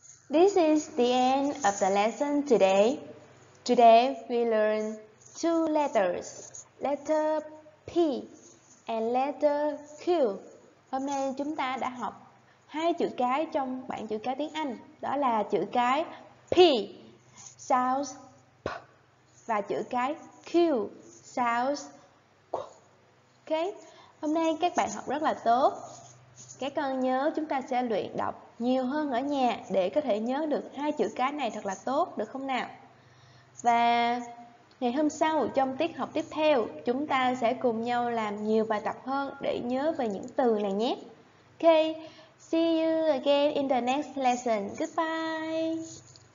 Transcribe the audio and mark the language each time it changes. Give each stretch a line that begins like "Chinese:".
English: This is the end of the lesson today. Today we learn two letters, letter P and letter Q.
Vietnamese: Hôm nay chúng ta đã học hai chữ cái trong bảng chữ cái tiếng Anh, đó là chữ cái P sounds P và chữ cái Q sounds Q. Ok, hôm nay các bạn học rất là tốt. Các con nhớ chúng ta sẽ luyện đọc nhiều hơn ở nhà để có thể nhớ được hai chữ cái này thật là tốt, được không nào? Và ngày hôm sau trong tiết học tiếp theo, chúng ta sẽ cùng nhau làm nhiều bài tập hơn để nhớ về những từ này nhé.
English: Ok, see you again in the next lesson. Goodbye!